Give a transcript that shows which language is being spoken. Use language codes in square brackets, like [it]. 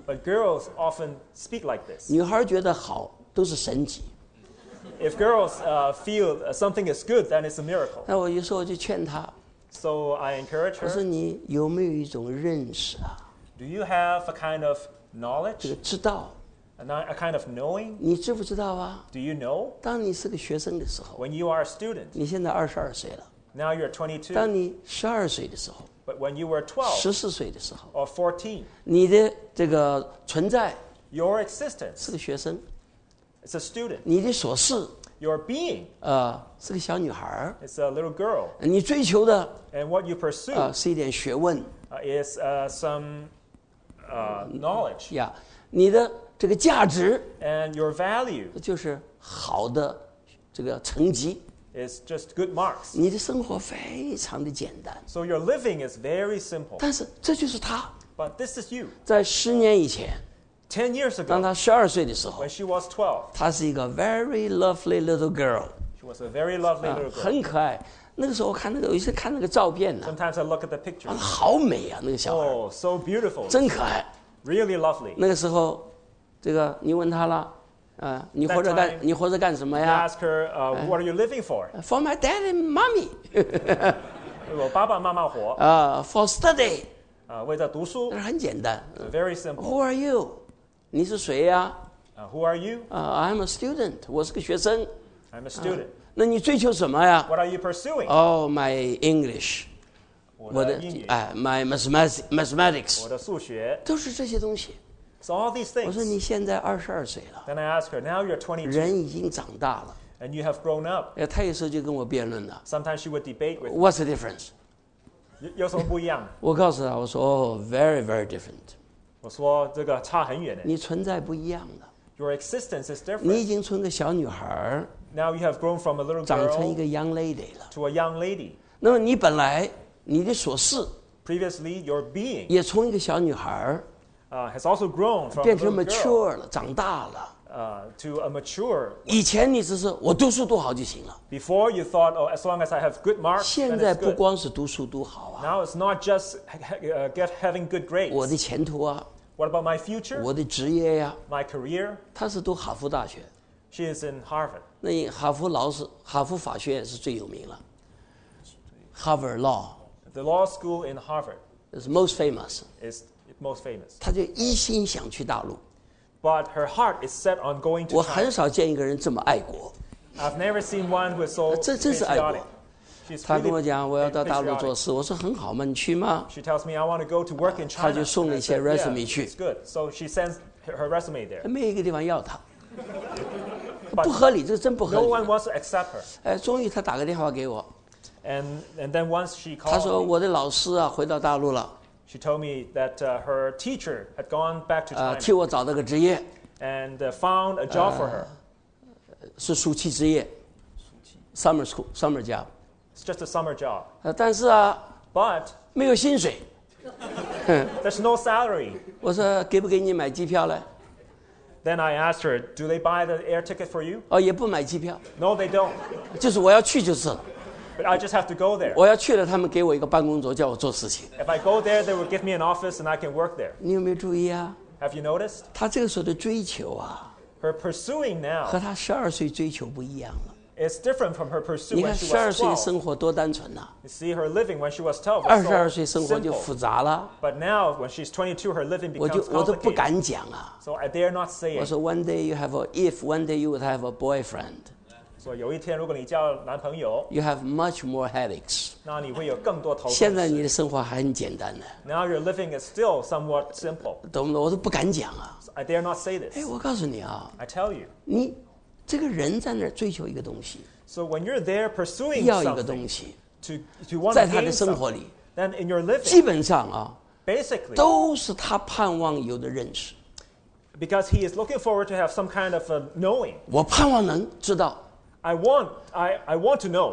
[en] But girls often speak like this. [zh] 女孩觉得好都是神迹。 [en] If girls feel something is good, then it's a miracle. [zh] 那我有时候就劝她。 [en] So I encourage her. [zh] 我说你有没有一种认识啊 [en] ？Do you have a kind of knowledge? [zh] 这个知道。 [en] A kind of knowing. [zh] 你知不知道啊 [en] ？Do you know? [zh] 当你是个学生的时候 [en] ，When you are a student. [zh] 你现在二十二岁了。 [en] Now you're 22. [zh] 当你十二岁的时候 [en] ，But when you were 12. [zh] 十四岁的时候 [en] ，Or 14. [zh] 你的这个存在 [en] ，Your existence. [zh] 是个学生 [en] ，It's a student. [zh] 你的所事 [en] ，Your being. [zh] 是个小女孩 [en] ，It's a little girl. [zh] 你追求的 [en] ，And what you pursue. [zh] 是一点学问 [en] ，Is some knowledge. [zh] Yeah, 你的。这个价值 [en] and your value [zh] 就是好的这个成绩 [en] is just good marks. [zh] 你的生活非常的简单 [en] so your living is very simple. [zh] 但是这就是他 [en] but this is you. [zh] 在十年以前 [en] 10 years ago, [zh] 当他十二岁的时候 [en] when she was 12, 她是一个 very lovely little girl. She was a very lovely little girl. [zh] 很可爱。那个时候我看那个，有时看那个照片呢。 [en] Sometimes I look at the picture. [zh] 好美啊，那个小孩。 [en] Oh, so beautiful. [zh] 真可爱。 [en] Really lovely. [zh] 那个时候。这个你问他了，你活着干 [en] time, [zh] 你活着干什么呀 [en] ？Ask her, what are you living for? For my dad and mommy. [zh] 我爸爸妈妈活。 [en] For study. [zh] 为了读书。那很简单。 [en] Very simple. Who are you? 你是谁呀？Who are you? I'm a student. 我是个学生。 I'm a student. [zh] 那你追求什么呀 [en] ？What are you pursuing? Oh, my English. [zh] 我的 [en] my mathematics. [zh] 我的数学。都是这些东西。 [en] So all these things. [zh] 我说你现在二十二岁了。 [en] Then I ask her, now you're 22. [zh] 人已经长大了。 [en] And you have grown up. [zh] 她有时候就跟我辩论了。 [en] Sometimes she would debate with. What's the difference? [zh] 有什么不一样？我告诉她，我说 oh, very, very different. 我说这个差很远。你存在不一样的。 [en] Your existence is different. [zh] 你已经从个小女孩。 [en] Now you have grown from a little girl. [zh] 长成一个 young lady 了。 [en] To a young lady. [zh] 那么你本来你的所事。 [en] previously your being [zh] 也从一个小女孩 [en] has also grown from [zh] 变成 mature 了长大了 [en] To a mature. [zh] 以前你只是我读书读好就行了。 [en] Before you thought, oh, as long as I have good marks. [zh] 现在不光是读书读好啊。 [en] Now it's not just having good grades. [zh] 我的前途啊。 [en] What about my future? [zh] 我的职业呀。 [en] My career. [zh] 她是读哈佛大学。 She is in Harvard. 那哈佛老师，哈佛法学院是最有名了。 [en] Harvard Law. The law school in Harvard. Is most famous. Is most famous. [zh] 她就一心想去大陆。 [en] But her heart is set on going to. [zh] 我很少见一个人这么爱国。 [en] I've never seen one who is so patriotic. [zh] 这真是爱国。她跟我讲，我要到大陆做事。我说很好嘛，你去吗 [en] ？She tells me I want to go to work in China. [zh] 她就送了一些 resume 去。 [en] It's good. So she sends her resume there. [zh] 没一个地方要她。不合理，这真不合理。 [en] No one wants to accept her. [zh] 哎，终于她打个电话给我。 [en] And then once she called. [zh] 她说我的老师啊，回到大陆了。 [en] She told me that her teacher had gone back to China. [zh] 替我找了个职业 [en] and found a job for her. [zh] 是暑期职业 summer school, summer job. [en] It's just a summer job. [zh] 但是啊 [en] but [zh] 没有薪水 [en] There's no salary. [zh] 我说给不给你买机票呢 [en] Then I asked her, do they buy the air ticket for you? [zh] 也不买机票 [en] No, they don't. [zh] 就是我要去就是了。 [en] But I just have to go there. [zh] 我要去了，他们给我一个办公桌，叫我做事情。 [en] If I go there, they will give me an office and I can work there. [zh] 你有没有注意啊 [en] ？Have you noticed? [zh] 她这个时候的追求啊 [en] ，Her pursuing now [zh] 和她十二岁追求不一样了。 [en] It's different from her pursuing when she was [zh] 12. 你看十二岁生活多单纯呐、啊、 [en] ！You see her living when she was 12 was so simple. [zh] 二十二岁生活就复杂了。 [en] But now, when she's 22, her living becomes complicated. [zh] 我都不敢讲啊。 [en] So I dare not say it. 我说，One day you have a if, one day you would have a boyfriend. [zh] 有一天如果你交男朋友 [en] You have much more headaches [zh] 那你会有更多头痛现在你的生活还很简单呢 [en] Now your living is still somewhat simple [zh] 懂不懂我都不敢讲啊 [en] I dare not say this [zh] 我告诉你啊 [en] I tell you [zh] 你这个人在那儿追求一个东西 [en] So when you're there pursuing something [zh] 要一个东西 [en] to want [zh] 在他的生活里 [en] Then in your living [zh] 基本上啊 [en] Basically [zh] 都是他盼望有的认识 [en] Because he is looking forward to have some kind of a knowing [zh] 我盼望能知道 [en] I want to know.